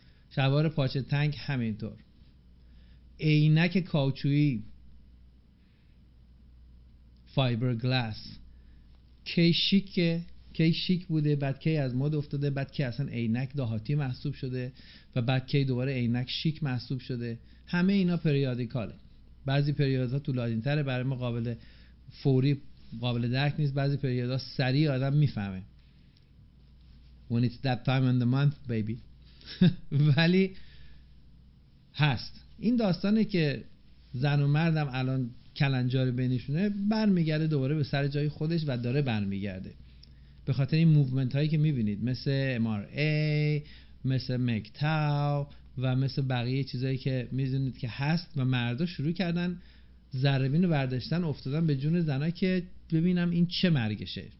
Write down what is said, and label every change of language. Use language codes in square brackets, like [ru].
[fa] شلوار پاچه تنگ همینطور، عینک کاوچویی فایبر گلاس کی شیک بوده، بعد کی از مد افتاده، بعد کی اصلا عینک دهاتی محسوب شده و بعد کی دوباره عینک شیک محسوب شده. همه اینا پریودیکاله، بعضی پریودها طولانی‌تره، برای ما قابل فوری قابل درک نیست، بعضی پریودها سریع آدم میفهمه. [en] When it's that time in the month baby. [fa] ولی هست این داستانه که زن و مردم الان کلنجار بینشونه، برمیگرده دوباره به سر جای خودش و داره برمیگرده. به خاطر این موومنت هایی که میبینید، مثل MRA، مثل MGTOW و مثل بقیه چیزایی که میدونید که هست، و مردا شروع کردن ضربین رو برداشتن، افتادن به جون زنا که ببینم این چه مرگشه.